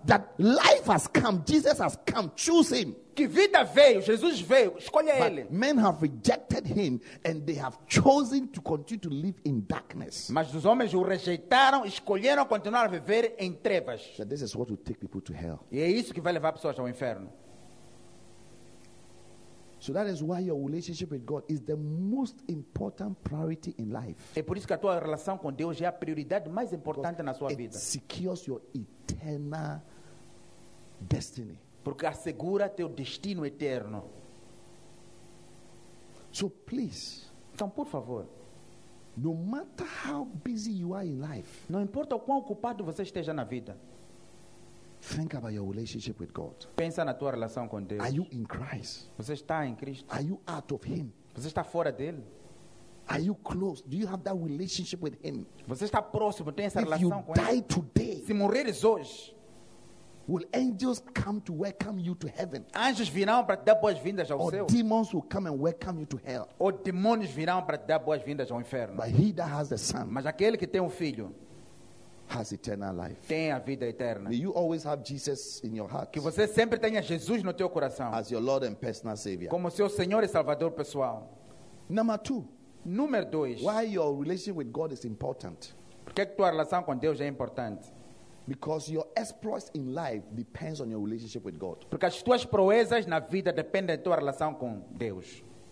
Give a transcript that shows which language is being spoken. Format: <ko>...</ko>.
<en>That life has come, Jesus has come, choose Him.</en> <pt>Que vida veio, Jesus veio, escolha Ele.</pt> <en>But men have rejected Him and they have chosen to continue to live in darkness.</en> <pt>Mas os homens o rejeitaram, escolheram continuar a viver em trevas.</pt> <en>So this is what will take people to hell.</en> <pt>E é isso que vai levar pessoas ao inferno.</pt> <en>So that is why your relationship with God is the most important priority in life.</en> <pt>É por isso que a tua relação com Deus é a prioridade mais importante</pt> <en>because</en> <pt>na sua</pt> <en>it</en> <pt>vida.</pt> <en>It secures your eternal destiny.</en> <pt>Porque assegura teu destino eterno.</pt> <en>So please,</en> <pt>então por favor,</pt> <en>no matter how busy you are in life,</en> <pt>não importa o quão ocupado você esteja na vida,</pt> <en>think about your relationship with God.</en> <pt>Pensa na tua relação com Deus.</pt> <en>Are you in Christ?</en> <pt>Você está em Cristo?</pt> <en>Are you out of Him?</en> <pt>Você está fora dele?</pt> <en>Are you close? Do you have that relationship with Him?</en> <pt>Você está próximo? Tem essa</pt> <en>if</en> <pt>relação</pt> <en>you</en> <pt>com</pt> <en>die</en> <pt>ele?</pt> <en>Today,</en> <pt>se morreres hoje,</pt> <en>will angels come to welcome you to heaven?</en> <pt>Anjos virão para te dar boas-vindas ao</pt> <en>or</en> <pt>céu?</pt> <en>Demons will come and welcome you to hell?</en> <pt>Ou demônios virão para te dar boas-vindas ao inferno?</pt> <en>But he that has the Son,</en> <pt>mas aquele que tem o filho,</pt> <en>has eternal life.</en> <pt>Tem a vida eterna.</pt> <en>May you always have Jesus in your heart.</en> <pt>Que você sempre tenha Jesus no teu coração.</pt> <en>As your Lord and personal Savior.</en> <pt>Como seu Senhor e Salvador pessoal.</pt> <en>Number two.</en> <pt>Número dois.</pt> <en>Why your relationship with God is important?</en> <pt>Porque tua relação com Deus é importante?</pt> <en>Because your exploits in life depends on your relationship with God.</en> <pt>Porque as tuas proezas na vida dependem da tua relação com Deus.</pt>